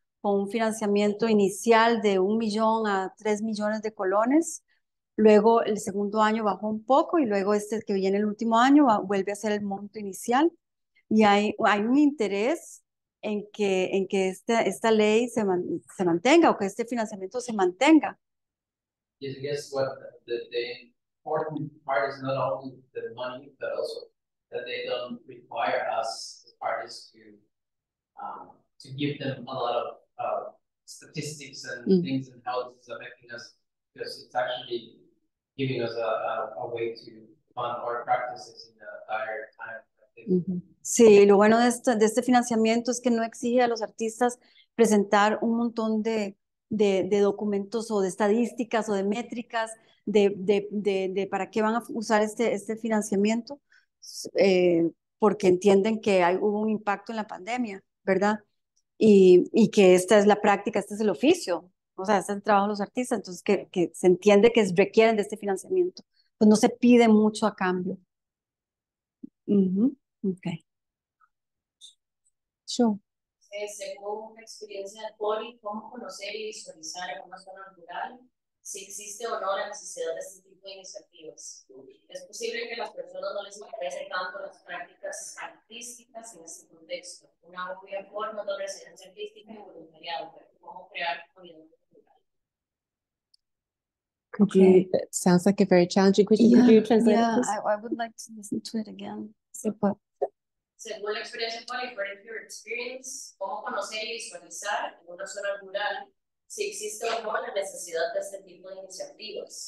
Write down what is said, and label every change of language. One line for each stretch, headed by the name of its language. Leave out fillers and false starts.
Spanish: con un financiamiento inicial de 1 millón a 3 millones de colones. Luego el segundo año bajó un poco y luego este que viene el último año vuelve a ser el monto inicial. Y hay un interés en que esta ley se mantenga o que este financiamiento se mantenga.
English: Yes, I guess what the important part is not only the money, but also that they don't require us as parties to give them a lot of statistics and things and how this is affecting us, because it's actually giving us a way to fund our practices in a dire time.
Spanish: Sí, lo bueno de este financiamiento es que no exige a los artistas presentar un montón de documentos o de estadísticas o de métricas de para qué van a usar este financiamiento, porque entienden que hubo un impacto en la pandemia, ¿verdad? Y que esta es la práctica, este es el oficio, o sea, este es el trabajo de los artistas, entonces que se entiende que requieren de este financiamiento, pues no se pide mucho a cambio.
English: Okay. Sure.
Spanish: Según la experiencia del Poli, ¿cómo conocer y visualizar en una zona rural si existe o no la necesidad de este tipo de iniciativas? ¿Es posible que a las personas no les interese tanto las prácticas artísticas en este contexto? Una obvia forma de residencia artística y voluntariado, pero ¿cómo crear comunidad rural?
English: Could you, that sounds like a very challenging question. Yeah, could you translate yeah, this? Yeah, I would like to listen to it again.
Spanish: Según la experiencia Poli, por
English: your experience,
Spanish: ¿cómo conocer y visualizar en una zona rural si existe o no la necesidad de este tipo de iniciativas?